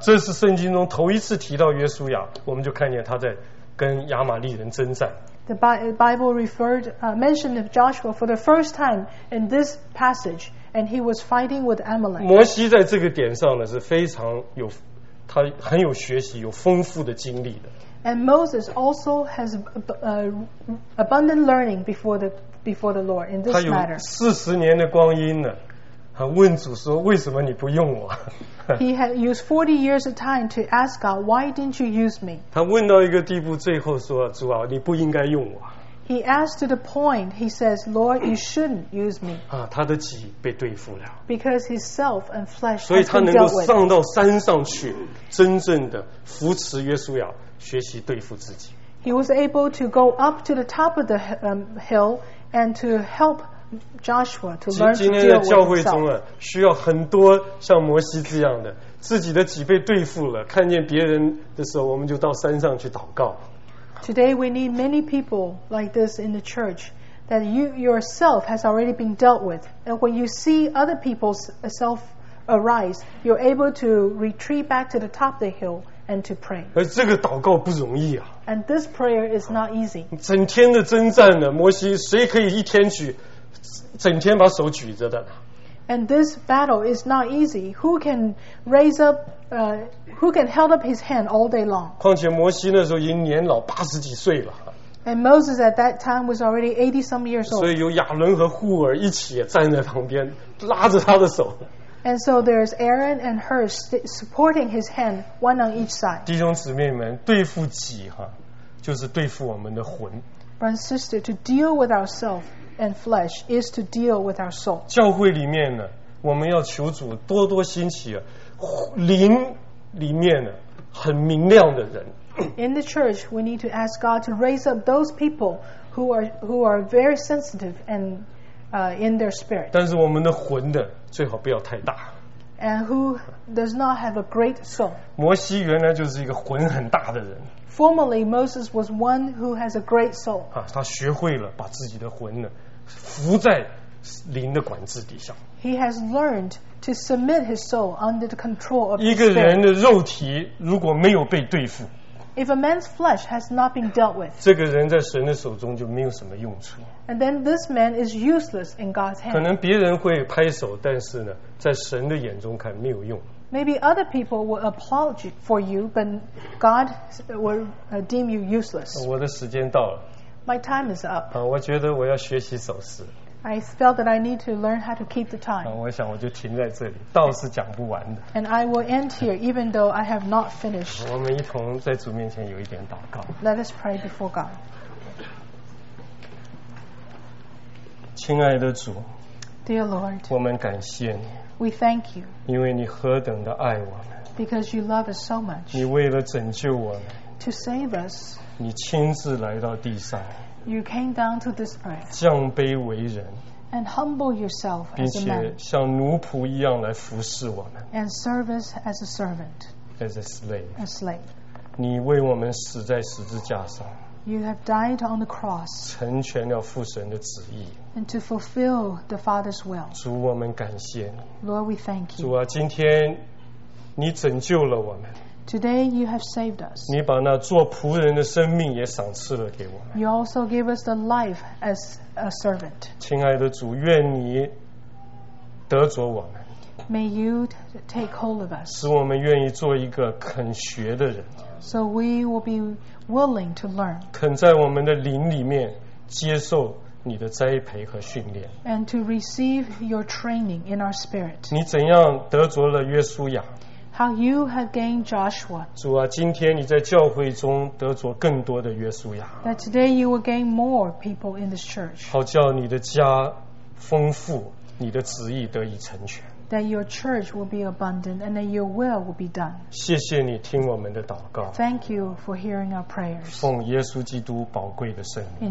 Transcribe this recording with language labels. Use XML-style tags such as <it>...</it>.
<zh>这是圣经中头一次提到约书亚，我们就看见他在跟亚玛利人征战。</zh> <en>The Bible referred mentioned Joshua for the first time in this passage, and he was fighting with Amalek.</en> <zh>摩西在这个点上呢是非常有，他很有学习，有丰富的经历的。</zh> <en>And Moses also has abundant learning before the Lord in this matter.</en> <zh>他有四十年的光阴呢。问主说为什么你不用我</zh> <en>He had used 40 years of time to ask God, why didn't you use me?</en> <zh>他问到一个地步最后说主啊你不应该用我</zh> <en>He asked to the point, he says, Lord, you shouldn't use me.</en> <zh>他的己被对付了</zh> <en>Because his self and flesh</en> <zh>所以他能够上到山上去真正的扶持约书亚学习对付自己</zh> <en>He was able to go up to the top of the hill and to help Joshua to learn to deal with himself.</en> <zh>今天的教会中啊，需要很多像摩西这样的，自己的己被对付了，看见别人的时候，我们就到山上去祷告。</zh> <en>Today we need many people like this in the church that you yourself has already been dealt with. And when you see other people's self arise, you're able to retreat back to the top of the hill and to pray.</en> <zh>这个祷告不容易啊。</zh> <en>And this prayer is not easy.</en> <zh>整天的征战呢，摩西谁可以一天举，整天把手举着的呢？</zh> <en>And this battle is not easy. Who can raise up, who can hold up his hand all day long?</en> <zh>况且摩西那时候已经年老八十几岁了。</zh> <en>And Moses at that time was already 80 some years old.</en> <zh>所以有亚伦和户珥一起站在旁边，拉着他的手。</zh> <en>And so there's Aaron and Hur supporting his hand, one on each side.</en> <zh>弟兄姊妹们，对付己哈，就是对付我们的魂。</zh> <en>Brother and sister, to deal with ourselves. And flesh is to deal with our soul.</en> <zh>教会里面呢，我们要求主多多兴起灵里面呢很明亮的人。</zh> <en>In the church, we need to ask God to raise up those people who are very sensitive and in their spirit.</en> <zh>但是我们的魂的最好不要太大。</zh> <en>And who does not have a great soul?</en> <zh>摩西原来就是一个魂很大的人。</zh> <en>Formerly, Moses was one who has a great soul.</en> <zh>啊，他学会了把自己的魂呢，服在灵的管制底下。</zh> <en>He has learned to submit his soul under the control of.</en> <zh>一个人的肉体如果没有被对付</zh> <en>，If a man's flesh has not been dealt with,</en> <zh>这个人在神的手中就没有什么用处。</zh> <en>And then this man is useless in God's hand.</en> <zh>可能别人会拍手，但是呢，在神的眼中看没有用。</zh> <en>Maybe other people will applaud for you, but God will deem you useless.</en> <zh>我的时间到了。</zh> <en>My time is up.</en> <zh>我觉得我要学习守时。</zh> <en>I felt that I need to learn how to keep the time.</en> <zh>我想我就停在这里，道是讲不完的。</zh> <en>And I will end here, even though I have not finished.</en> <zh>我们一同在主面前有一点祷告。</zh> <en>Let us pray before God.</en> <zh>亲爱的主</zh> <en>，Dear Lord,</en> <zh>我们感谢你。</zh> <en>We thank you.</en> <zh>因为你何等的爱我们。</zh> <en>Because you love us so much.</en> <zh>你为了拯救我们。</zh> <en>To save us.</en> <zh>你亲自来到地上。</zh> <en>You came down to this earth.</en> <zh>降卑为人。</zh> <en>And humble yourself as a man.</en> <zh>并且像奴仆一样来服侍我们。</zh> <en>And serve us as a servant. As a slave. A slave.</en> <zh>你为我们死在十字架上。</zh> <en>You have died on the cross.</en> <zh>成全了父神的旨意。</zh> <en>And to fulfill the Father's will.</en> <zh>主，我们感谢你。</zh> <en>Lord, we thank you.</en> <zh>主啊，今天你拯救了我们。</zh> <en>Today you have saved us.</en> <zh>你把那做仆人的生命也赏赐了给我们。</zh> <en>You also gave us the life as a servant.</en> <zh>亲爱的主，愿你得着我们。</zh> <en>May you take hold of us.</en> <zh>使我们愿意做一个肯学的人。</zh> <en>So we will be willing to learn.</en> <zh>肯在我们的灵里面接受。你的栽培和训练</zh> <en>and to receive your training in our spirit.</en> <zh>你怎样得着了约书亚</zh> <en>how you have gained Joshua.</en> <zh>主啊，今天你在教会中得着更多的约书亚</zh> <en>that today you will gain more people in this church.</en> <zh>好叫你的家丰富，你的旨意得以成全</zh> <en>that your church will be abundant and that your will be done.</en> <zh>谢谢你听我们的祷告</zh> <en>thank you for hearing our prayers.</en> <zh>奉耶稣基督宝贵的圣名</zh>